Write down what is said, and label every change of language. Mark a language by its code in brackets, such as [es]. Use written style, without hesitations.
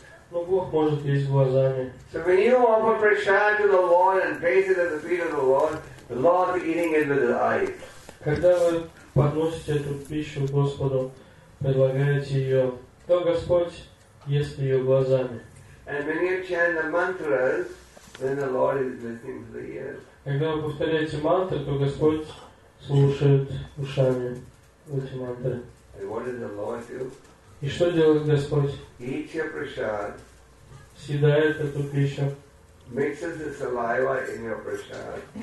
[ru] Но Бог может есть глазами. [en] So when you offer prasad to the Lord and place it at the feet of the Lord, the Lord is eating it with his eyes. [ru] Когда вы подносите эту пищу Господу, предлагаете ее, то Господь ест ее глазами. [en] And when you chant the mantras, then the Lord is listening to the ears. [ru] Когда вы повторяете мантры, то Господь слушает ушами эти мантры. [en] And what does the Lord do? [ru] И что делает Господь? [en] Eat your prasad. [ru] Съедает эту пищу. [en] Mixes the saliva in your prasad.